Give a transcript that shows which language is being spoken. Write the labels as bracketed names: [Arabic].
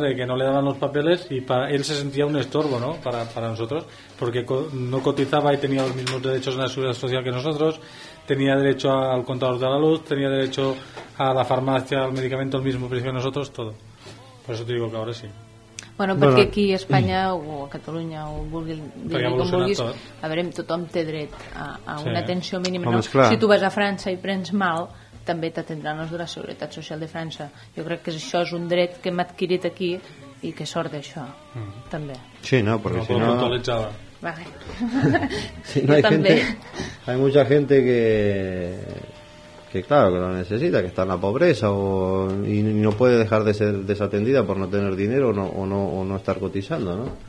[Spanish] De que no le daban los papeles y él se sentía un estorbo, ¿no? Para nosotros. Porque no cotizaba y tenía los mismos derechos en la Seguridad Social que nosotros. Tenía derecho al contador de la luz, tenía derecho a la farmacia, al medicamento, al mismo precio que nosotros, todo. Por eso te digo que ahora sí. [Catalan] Bueno, perquè aquí a Espanya o a Catalunya o com vulguis, a veure, tothom té dret a una atenció mínima. Home, si tu vas a França i prens mal, també t'atendran els de la Seguretat Social de França. Jo crec que això és un dret que hem adquirit aquí i que sort d'això, també. Sí, no, perquè si no... Vale. [Spanish] Si no hay gente, hay mucha gente que claro que lo necesita, que está en la pobreza y no puede dejar de ser desatendida por no tener dinero o no estar cotizando, ¿no?